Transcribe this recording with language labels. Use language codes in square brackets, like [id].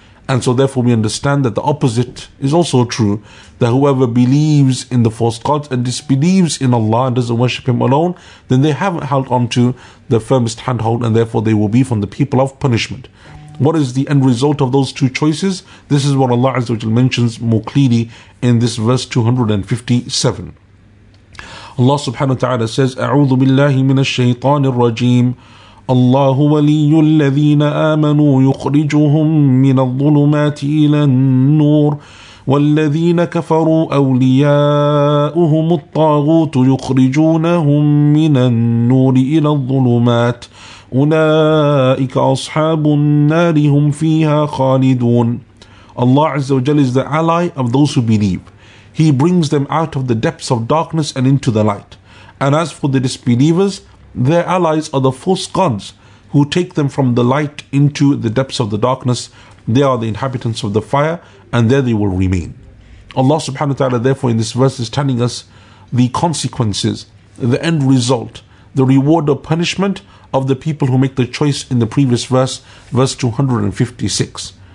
[en] And so therefore we understand that the opposite is also true, that whoever believes in the false gods and disbelieves in Allah and doesn't worship Him alone, then they haven't held on to the firmest handhold, and therefore they will be from the people of punishment. What is the end result of those two choices? This is what Allah Azza wa Jal mentions more clearly in this verse 257. Allah subhanahu wa ta'ala says, [ar] أعوذ بالله من الشيطان الرجيم الله ولي الذين آمنوا يخرجهم من الظلمات إلى النور والذين كفروا أولياؤهم الطاغوت يخرجونهم من النور إلى الظلمات أولئك أصحاب النار هم فيها خالدون. [en] Allah [ar] عز وجل [en] is the ally of those who believe. He brings them out of the depths of darkness and into the light. And as for the disbelievers, their allies are the false gods who take them from the light into the depths of the darkness. They are the inhabitants of the fire, and there they will remain. Allah subhanahu wa ta'ala therefore in this verse is telling us the consequences, the end result, the reward or punishment of the people who make the choice in the previous verse, verse 256.